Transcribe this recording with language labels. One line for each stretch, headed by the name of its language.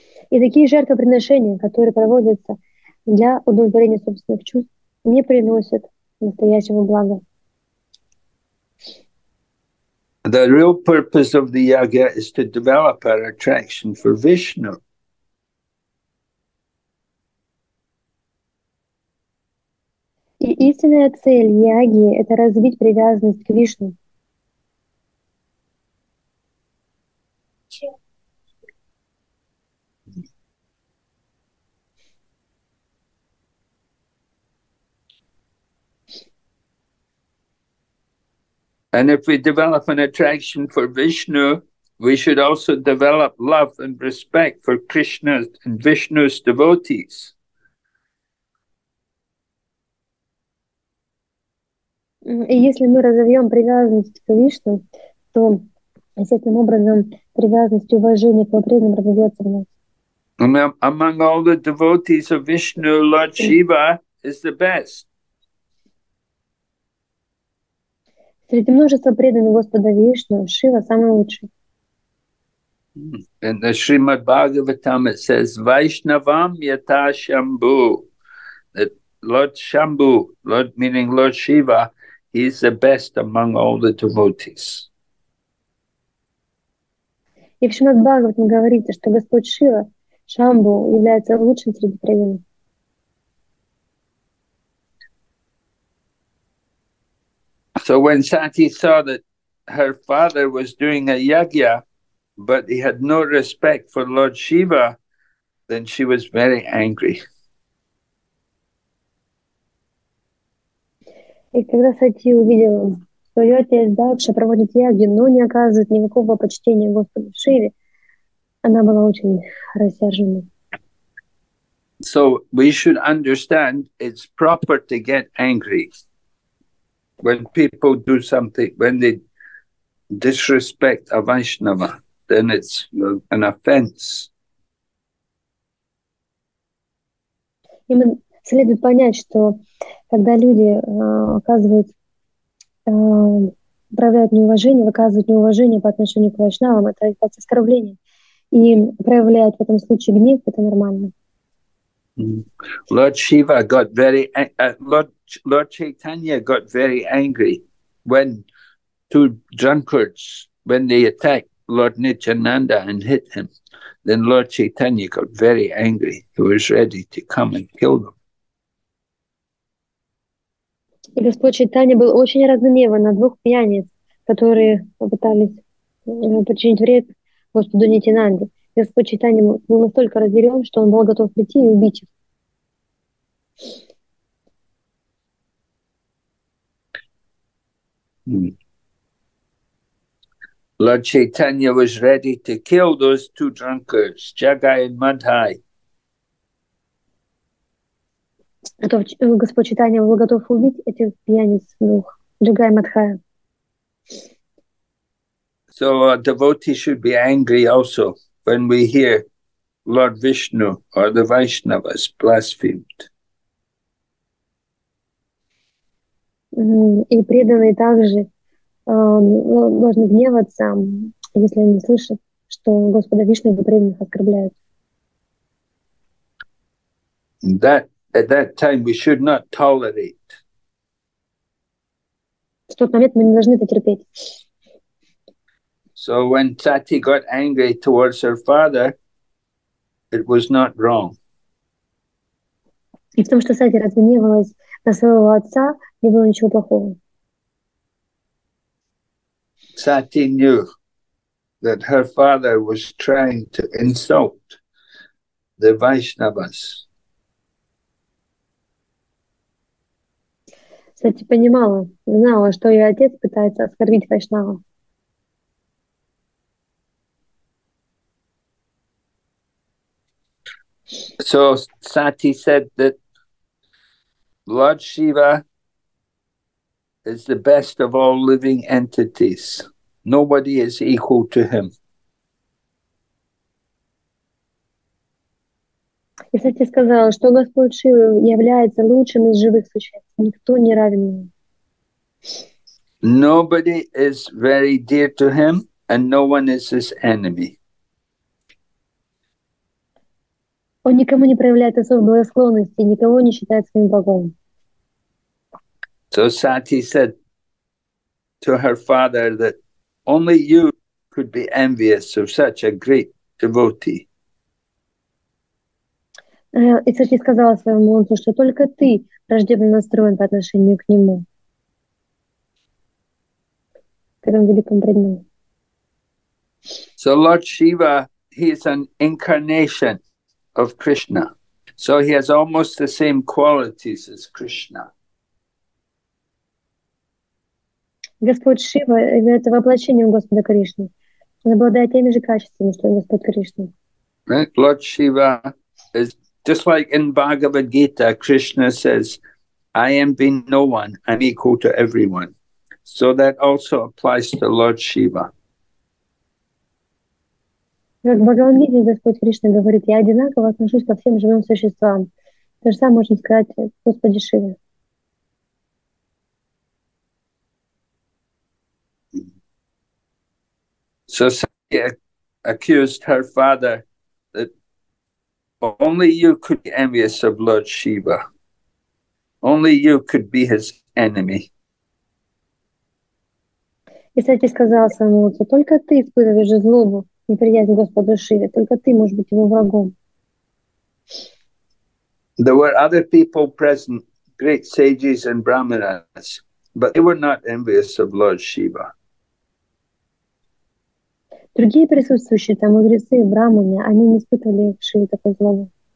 Russian: И такие жертвоприношения, которые проводятся для удовлетворения собственных чувств, не приносят настоящего блага.
English: The real purpose of the yoga is to develop our attraction for Vishnu.
Russian: И истинная цель яги – это развить привязанность к Вишну.
English: And if we develop an attraction for Vishnu, we should also develop love and respect for Krishna and Vishnu's devotees.
Russian: И если мы разовьем привязанность к Вишну, то естественным образом привязанность и уважение к Вопрезным разовьется в нас.
English: Among all the devotees of Vishnu, Lord Shiva is the best.
Russian: Среди множества преданных Господа Вишну, Шива самый лучший.
English: In the Srimad Bhagavatam it says,
Sanskrit: Vaishnavam yata Shambhu.
English: That Lord Shambhu, Lord meaning Lord Shiva, he is the best among all the devotees.
Russian: И в Шримад Бхагаватам говорится, что Господь Шива, Шамбу, является лучшим среди преданных.
English: So when Sati saw that her father was doing a yajna, but he had no respect for Lord Shiva, then she was very angry.
Russian: И когда Сати увидела, что ее отец Дакша проводит яги, но не оказывает никакого почтения Господу Шиве, она была очень рассержена.
English: So we should understand it's proper to get angry when people do something, when they disrespect a Vaishnava, then it's an offense.
Russian: И мы следует понять, что когда люди оказывают проявляют неуважение, выказывают неуважение по отношению к вайшнавам, это является оскорблением. И проявляют в этом случае гнев, это нормально.
English: Lord Shiva got very Lord Chaitanya got very angry when two drunkards, when they attacked Lord Nityananda and hit him, then Lord Chaitanya got very angry. He was ready to come and kill them.
Russian: И Господь Чайтанья был очень разгневан на двух пьяниц, которые попытались причинить вред Господу Нитинанде. Господь Чайтанья был настолько разъярен, что он был готов прийти и убить их.
English: Lord Chaitanya was ready to kill those two drunkards, Jagai and Madhai.
Russian: Господь Чайтанья был готов убить этих пьяниц двух, Джагая и Мадхая.
English: So a devotee should be angry also when we hear Lord Vishnu or the Vaishnavas blasphemed.
Russian: И преданные также должны гневаться, если они слышат, что Господа Вишну и преданных оскорбляют.
English: At that time we should not tolerate.
Russian: В тот момент мы не должны потерпеть.
English: So when Sati got angry towards her father, it was not wrong.
Russian: И в том, что Сати разгневалась на своего отца, не было ничего плохого.
English: Sati knew that her father was trying to insult the Vaishnavas.
Russian: Сати понимала, знала, что ее отец пытается оскорбить Вайшнава.
English: So Sati said that Lord Shiva is the best of all living entities. Nobody is equal to him.
Russian: И Сати сказала, что Господь Шива является лучшим из живых существ. Никто не равен ему.
English: Nobody is very dear to him, and no one is his enemy.
Russian: Он никому не проявляет особой благосклонности, никого не считает своим врагом.
English: So Sati said to her father that only you could be envious of such a great devotee.
Russian: И Сати сказала своему отцу, что только ты враждебно настроен по отношению к нему, к этому великому преданному.
English: So Lord Shiva, he is an incarnation of Krishna. So he has almost the same qualities as Krishna.
Russian: Господь Шива является воплощением Господа Кришны. Он обладает теми же качествами, что и Господь Кришна.
English: Right? Lord Shiva is just like in Bhagavad Gita, Krishna says, I am being no one, I'm equal to everyone. So that also applies to Lord Shiva.
Russian: Как в Бхагавад-гите Господь Кришна говорит, я одинаково отношусь ко всем живым существам. То же самое можно сказать Господи Шиве.
English: So Sati accused her father that only you could be envious of Lord Shiva. Only you could be his enemy.
Russian: И Сати сказал своему отцу, только ты испытываешь злобу. Неприязнь Господа Шиве, только ты можешь быть его врагом.
English: There were other people present, great sages and brahmanas, but they were not envious of Lord Shiva.
Russian: Другие присутствующие там мудрецы, брахманы, они не испытывали Шиве такой злобы.